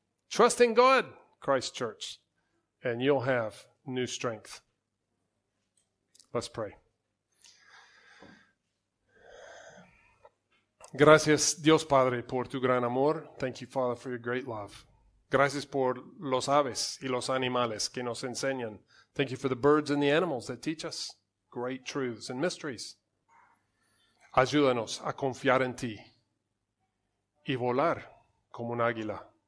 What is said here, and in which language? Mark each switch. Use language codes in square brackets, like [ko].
[en] Trust in God. Christ Church, and you'll have new strength. Let's pray. [es] Gracias, Dios Padre, por tu gran amor. [en] Thank you, Father, for your great love. [es] Gracias por los aves y los animales que nos enseñan. [en] Thank you for the birds and the animals that teach us great truths and mysteries. [es] Ayúdanos a confiar en ti y volar como un águila.